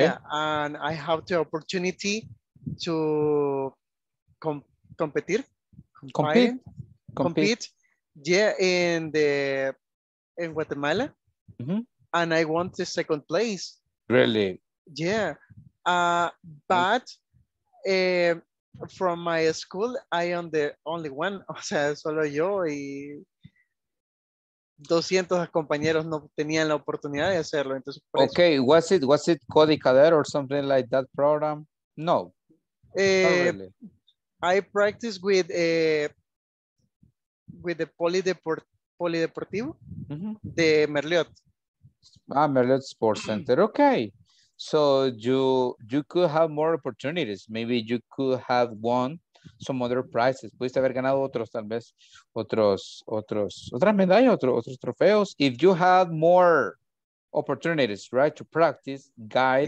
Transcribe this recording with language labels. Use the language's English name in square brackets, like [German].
[English] Yeah, and I have the opportunity to compete. Yeah, in Guatemala, mm-hmm. and I want the second place. Really? Yeah, but from my school, I am the only one. [Spanish] O sea, solo yo y 200 compañeros no tenían la oportunidad de hacerlo. Entonces, [English] okay, was it Cody Cader or something like that program? No. Really. I practice with the polideportivo mm-hmm. [Spanish] de Merliot. [English] Ah, Merliot Sports Center. Okay. So you could have more opportunities. Maybe you could have won some other prizes. [Spanish] Pudiste haber ganado otros, tal vez, otras medallas, otros trofeos. [English] If you had more opportunities, right, to practice, guide,